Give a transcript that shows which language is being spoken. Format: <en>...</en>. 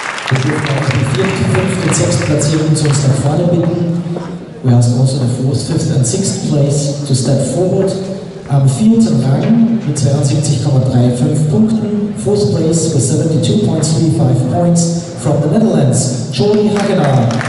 <de>Wir dürfen auch die vierte, fünfte und sechste Platzierung zu uns nach vorne bitten.</de> <en>We ask also the fourth, fifth and sixth place to step forward.</en> <de>Am vierten Rang mit 72,35 Punkten.</de> <en>Fourth place with 72.35 points from the Netherlands, Jordi Hagenaar.</en>